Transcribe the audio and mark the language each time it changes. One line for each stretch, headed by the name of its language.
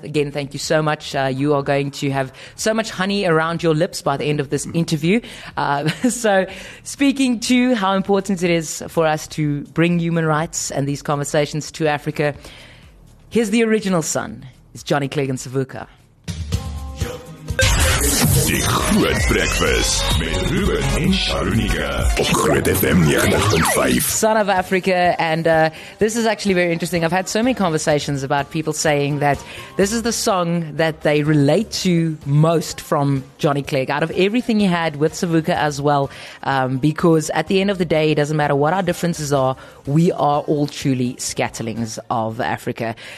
English: Again, thank you so much. You are going to have so much honey around your lips by the end of this interview. So speaking to how important it is for us to bring human rights and these conversations to Africa, here's the original son. It's Johnny Clegane Savuka.
Afrikaans: Die Groot Breakfast met Ruben en Sharunika op Groot FM 90.5.
English: Son of Africa, and this is actually very interesting. I've had so many conversations about people saying that this is the song that they relate to most from Johnny Clegg, out of everything he had with Savuka as well, because at the end of the day, it doesn't matter what our differences are, we are all truly scatterlings of Africa.